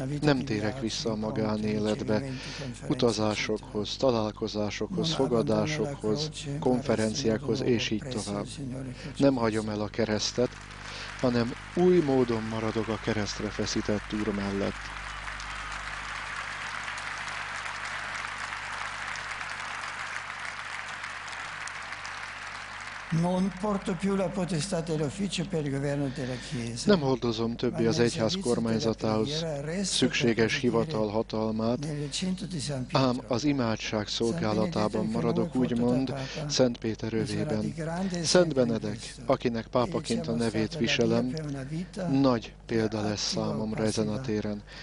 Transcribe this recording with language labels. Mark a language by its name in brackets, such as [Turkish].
[Hungarian] Nem térek vissza a magánéletbe, utazásokhoz, találkozásokhoz, fogadásokhoz, konferenciákhoz, és így tovább. Nem hagyom el a keresztet, hanem új módon maradok a keresztre feszített Úr mellett. Mm. [Italian] Non porto più la potestà dell'ufficio per il governo della chiesa. [Hungarian] Nem hordozom többi az egyház kormányzatához szükséges hivatal hatalmát, ám az imádság szolgálatában maradok, úgymond Szent Péter övében. Szent Benedek, akinek pápaként a nevét viselem, nagy példa lesz számomra ezen a téren.